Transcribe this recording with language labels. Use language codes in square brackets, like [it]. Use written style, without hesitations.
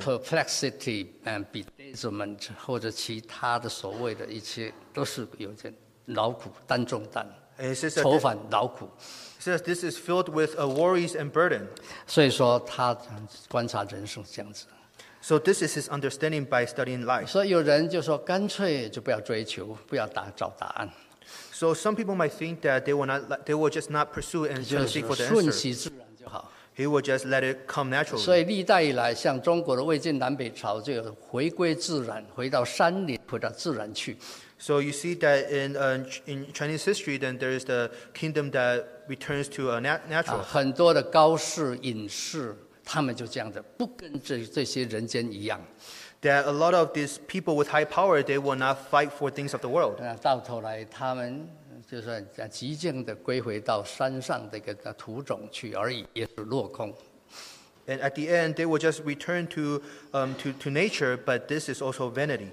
[en] Perplexity and bedazzlement [zh] 或者其他的所谓的一切都是有点劳苦担重担。愁烦劳苦。 [en] Says this is filled with worries and burden. [zh] 所以说他观察人生这样子。 [en] So this is his understanding by studying life. [zh] 所以有人就说干脆就不要追求，不要找答案。 [en] So some people might think that they will just not pursue and just seek for the answer. [zh] 顺其自然就好。 [en] He will just let it come naturally. [zh] 所以历代以来，像中国的魏晋南北朝就有回归自然，回到山林，回到自然去。 [en] So you see that in Chinese history, then there is the kingdom that returns to a natural. [zh] 很多的高士隐士，他们就这样子，不跟这些人间一样。 [en] That a lot of these people with high power, they will not fight for things of the world. [zh] 到头来，他们就是极静的归回到山上的一个土种去而已，也是落空。 [en] And at the end, they will just return to nature, but this is also vanity.